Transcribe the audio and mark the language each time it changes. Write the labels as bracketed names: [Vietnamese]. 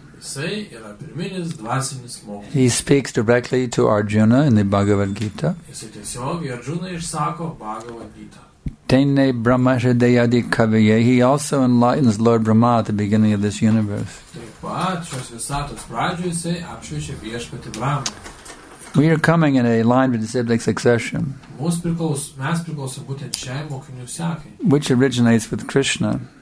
[Lithuanian] Jisai yra pirminis dvasinis mokytojas. [English] He speaks directly to Arjuna in the Bhagavad Gita. [Lithuanian] Jisai tiesiog Arjuna išsako Bhagavad Gita. [Sanskrit] Tene Brahma Hridayadi Kaviye. [English] He also enlightens Lord Brahma at the beginning of this universe. [Lithuanian] Taip pat, šios visatos pradžioj jisai apšviečia viešpatį Brahmą. [English] We are coming in a line of disciplic succession, which originates with Krishna.